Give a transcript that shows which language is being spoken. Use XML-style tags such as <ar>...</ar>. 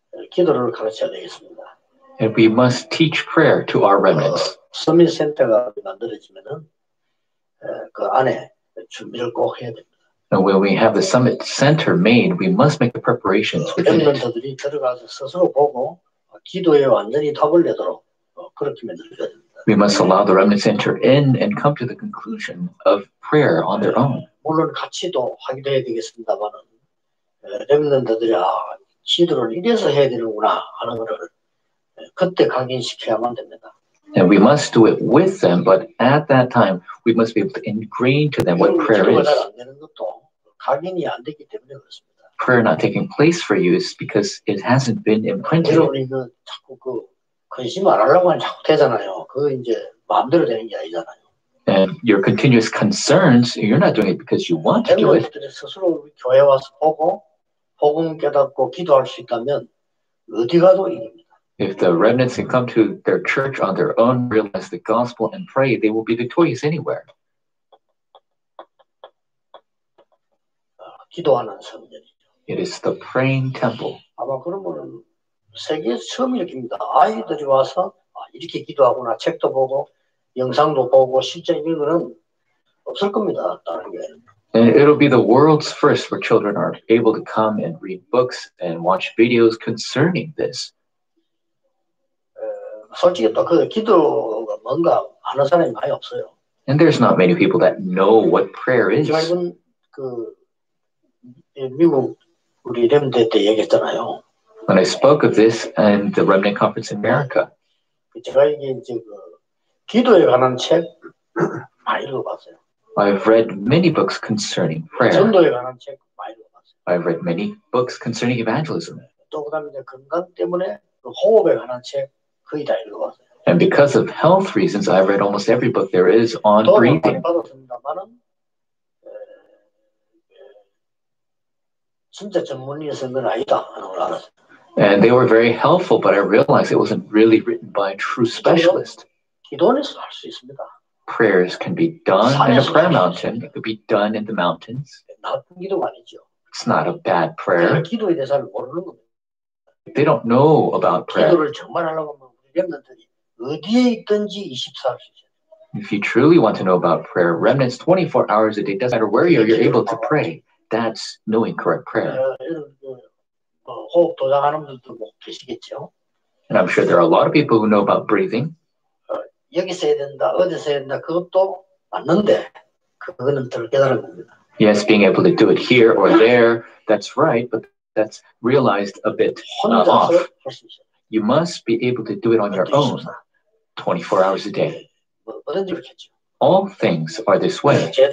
<ko>기도를 가르쳐야 되겠습니다.</ko> <en>And we must teach prayer to our remnants.</en> <ko>서민센터가 만들어지면은 그 안에 준비를 꼭 해야 됩니다.</ko> <en>And when we have the summit center made, we must make the preparations within it.</en> <ko>여러분들이 들어가서 스스로 보고 기도에 완전히 답을 내도록 그렇게 만들어야 됩니다.</ko> <en>We must allow the remnants enter in and come to the conclusion of prayer on their own.</en> <ko>물론 같이도 하기도 해야 되겠습니다만은 remnants들이 기도를 이래서 해야 되는구나 하는 것을 그때 각인시켜야만 됩니다.</ko> <en>And we must do it with them, but at that time, we must be able to ingrain to them what prayer is.</en> <ko>것도, 각인이 안 되기 때문에 그렇습니다.</ko> <en>Prayer not taking place for you is because it hasn't been imprinted.</en> <ko>여러분은 자꾸 그 근심 안 하려고 하면 자꾸 되잖아요. 그거 이제 마음대로 되는 게 아니잖아요.</ko> <en>And your continuous concerns, you're not doing it because you want to do it.</en> <ko>스스로 교회 와서 보고, 복음 깨닫고 기도할 수 있다면 어디 가도 이깁니다.</ko> <en>If the remnants can come to their church on their own, realize the gospel, and pray, they will be victorious anywhere.</en> <ko>기도하는 성전이죠.</ko> <en>It is the praying temple.</en> <ko>아마 그러면 세계 처음 일입니다. 아이들이 와서 이렇게 기도하구나. 책도 보고, 영상도 보고, 실제 이거는 없을 겁니다. 다른 게.</ko> <en>And it'll be the world's first where children are able to come and read books and watch videos concerning this.</en> <ko>솔직히 또 그 기도가 뭔가 아는 사람이 많이 없어요.</ko> <en>And there's not many people that know what prayer is.</en> <ko>지금 그 미국 우리 렘데 때 얘기했잖아요.</ko> <en>When I spoke of this and the Remnant Conference in America.</en> <ko>제가 이게 이제 그 기도에 관한 책 많이 읽어봤어요.</ko> <en>I've read many books concerning prayer.</en> <ko>전도에 관한 책 많이 읽어봤어요.</ko> <en>I've read many books concerning evangelism.</en> <ko>또 그다음에 이제 건강 때문에 그 호흡에 관한 책</ko> <en>And because of health reasons, I've read almost every book there is on breathing.</en> <ko>진짜 전문의에서는 아니다 하는 걸 알았어요.</ko> <en>And they were very helpful, but I realized it wasn't really written by a true specialist.</en> <ko>기도는 할 수 있습니다.</ko> <en>Prayers can be done in a prayer mountain. It could be done in the mountains.</en> <ko>나쁜 기도가 아니죠.</ko> <en>It's not a bad prayer.</en> <ko>기도에 대해서는 모르는 겁니다.</ko> <en>They don't know about prayer.</en> <ko>기도를 정말 하려고 하면 어디에 있든지 24시간.</ko> <en>If you truly want to know about prayer, remnants 24 hours a day, doesn't matter where you're able to pray, that's knowing correct prayer.</en> <ko>호흡 도장하는 분들도 뭐 계시겠죠?</ko> <en>And I'm sure there are a lot of people who know about breathing.</en> <ko>여기서 해야 된다, 어디서 해야 된다, 그것도 맞는데, 그거는 덜 깨달은 겁니다.</ko> <en>Yes, being able to do it here or there, that's right, but that's realized a bit off. You must be able to do it on your own, 24 hours a day. All things are this way.</en>